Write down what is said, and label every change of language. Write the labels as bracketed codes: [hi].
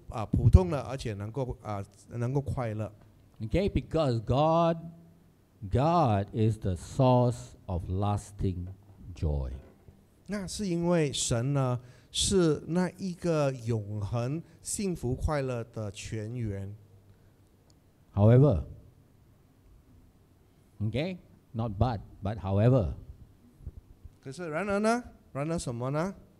[zh] 那也因着他是一名基督徒，他可以学习，就是说，当在失败里面呢，他能够学习到什么才是知足的，什么才是普通的，而且能够快乐。 [en] Okay, because God is the source of lasting joy. [zh] 那是因为神呢，是那一个永恒幸福快乐的泉源。 [en] However, okay, not but however. [zh] 可是然而呢？然而什么呢？